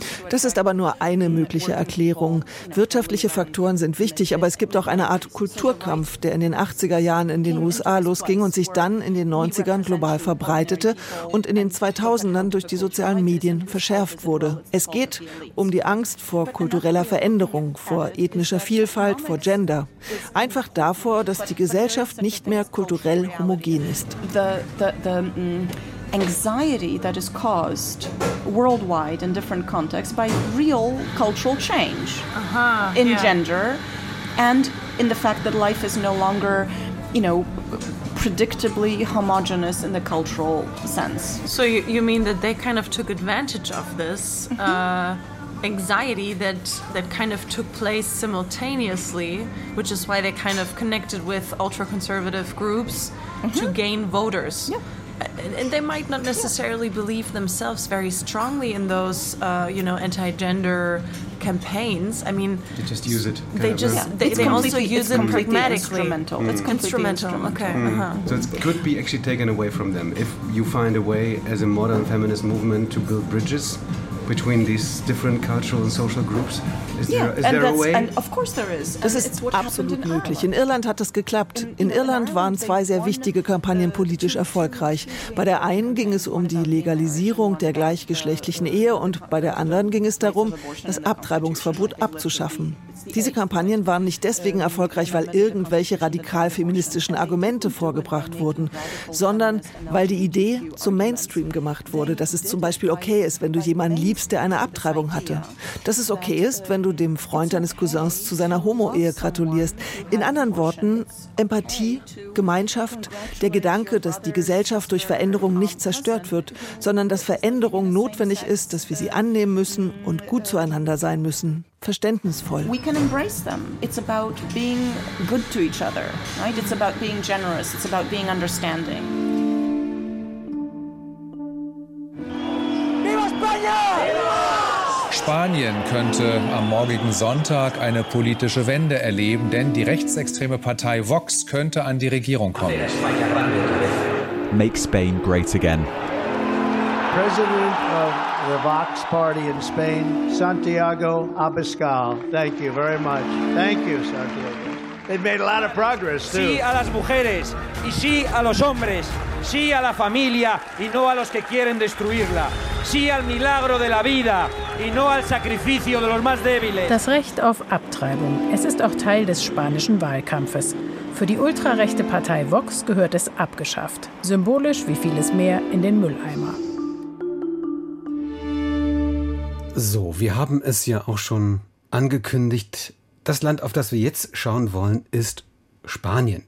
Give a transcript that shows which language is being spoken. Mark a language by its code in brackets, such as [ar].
[de] Das ist aber nur eine mögliche Erklärung. Wirtschaftliche Faktoren sind wichtig, aber es gibt auch eine Art Kulturkampf, der in den 80er Jahren in den USA losging und sich dann in den 90ern global verbreitete und in den 2000ern durch die sozialen Medien verschärft wurde. Es geht um die Angst vor kultureller Veränderung, vor ethnischer Vielfalt, vor Gender. Einfach davor, dass die Gesellschaft nicht mehr kulturell homogen ist. [en] Anxiety that is caused worldwide in different contexts by real cultural change gender and in the fact that life is no longer, you know, predictably homogenous in the cultural sense. So you mean that they kind of took advantage of this anxiety that kind of took place simultaneously, which is why they kind of connected with ultra-conservative groups to gain voters. Yeah. And they might not necessarily believe themselves very strongly in those, anti-gender campaigns. I mean, they just use it. They also use it pragmatically. Instrumental. Mm. It's instrumental. Okay. Mm. So it could be actually taken away from them if you find a way as a modern feminist movement to build bridges between these different cultural and social groups? Is there a way? And of course there is. [de] Das ist absolut möglich. In Irland hat das geklappt. In Irland waren zwei sehr wichtige Kampagnen politisch erfolgreich. Bei der einen ging es um die Legalisierung der gleichgeschlechtlichen Ehe und bei der anderen ging es darum, das Abtreibungsverbot abzuschaffen. Diese Kampagnen waren nicht deswegen erfolgreich, weil irgendwelche radikal-feministischen Argumente vorgebracht wurden, sondern weil die Idee zum Mainstream gemacht wurde, dass es zum Beispiel okay ist, wenn du jemanden liebst, der eine Abtreibung hatte. Dass es okay ist, wenn du dem Freund deines Cousins zu seiner Homo-Ehe gratulierst. In anderen Worten, Empathie, Gemeinschaft, der Gedanke, dass die Gesellschaft durch Veränderung nicht zerstört wird, sondern dass Veränderung notwendig ist, dass wir sie annehmen müssen und gut zueinander sein müssen. Verständnisvoll. [en] We can embrace them. It's about being good to each other, right? It's about being generous. It's about being understanding. [es] Viva España! [de] Spanien könnte am morgigen Sonntag eine politische Wende erleben, denn die rechtsextreme Partei Vox könnte an die Regierung kommen. [en] Make Spain great again. President of the Vox Party in Spain, Santiago Abascal. Thank you very much. Thank you, Santiago. They've made a lot of progress, too. [es] Sí a las mujeres y sí a los hombres. Sí a la familia y no a los que quieren destruirla. Sí al milagro de la vida y no al sacrificio de los más débiles. [de] Das Recht auf Abtreibung. Es ist auch Teil des spanischen Wahlkampfes. Für die ultrarechte Partei Vox gehört es abgeschafft. Symbolisch wie vieles mehr in den Mülleimer. So, wir haben es ja auch schon angekündigt. Das Land, auf das wir jetzt schauen wollen, ist Spanien.